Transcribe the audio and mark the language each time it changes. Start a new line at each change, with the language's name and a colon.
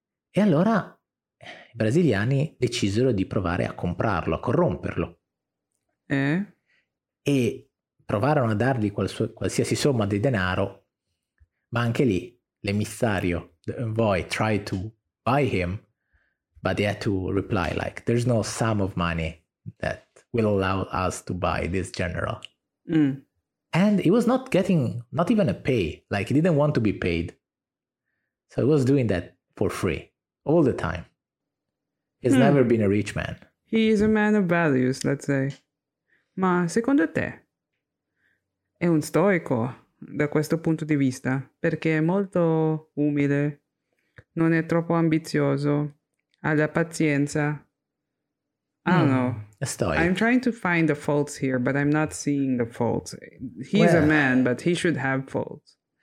Italian: E allora i brasiliani decisero di provare a comprarlo, a corromperlo. E provarono a dargli qualsiasi somma di denaro, ma anche lì l'emissario,
English: the envoy, tried to buy him, but he had to reply like, there's no sum of money that will allow us to buy this general. Mm. And he was not getting, not even a pay, like he didn't want to be paid. So he was doing that for free, all the time. He's never been a rich man. He is a man of values, let's say.
Italian: Ma secondo te, è un stoico da questo punto di vista, perché è molto umile, non è troppo ambizioso, ha la pazienza.
English: I don't know. A stoic. I'm trying to find the faults here, but I'm not seeing the faults. He's a man, but he should have faults.